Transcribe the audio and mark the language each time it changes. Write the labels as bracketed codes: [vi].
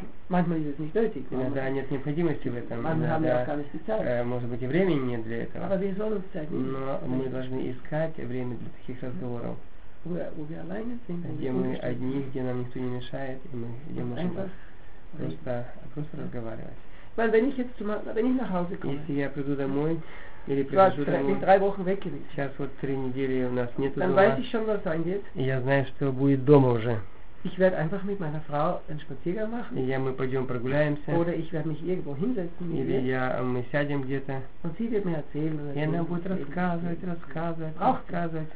[ru] Иногда нет необходимости в этом, может быть, и времени нет для этого, но мы должны искать время для таких разговоров, где мы одни, где нам никто не мешает, и мы можем просто разговаривать. Если я приду домой, или сейчас вот 3 недели у нас нету дома, я знаю, что будет дома уже. [de] Ich werde einfach mit meiner Frau einen Spaziergang machen. [ru] Ja, мы пойдем прогуляемся. [de] Oder ich werde mich irgendwo hinsetzen. [ru] Или я, мы сядем где-то. [de] Und sie wird mir erzählen. [ru] И она будет рассказывать.